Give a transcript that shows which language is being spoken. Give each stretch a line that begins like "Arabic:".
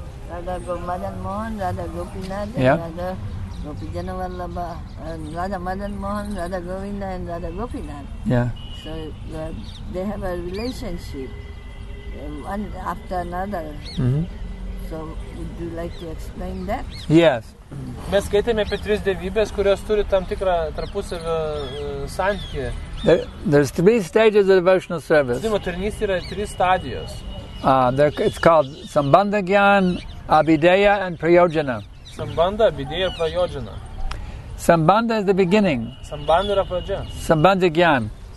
English: Radha Madan Mohan, Radha Gopinath, Radha Gopijana Vallabha. Radha Madan Mohan, Radha Govinda, and Radha Gopinath. Yeah. So they have a relationship, one after another. Mm-hmm. So would you like to explain that? Yes.
Lithuanian: Mes skaitėme apie tris dievybės, kurios turi tam tikrą tarpusavio santykį.
English: There's three stages of devotional service.
Lithuanian: Yra tris stadijos.
English: It's called Sambandha Gyan, Abhideya, and Prayojana. Sambandha, Abhideya, Prayojana. Sambandha is the beginning.
Lithuanian: Sambandha yra pradžia.
English: Sambandha Gyan.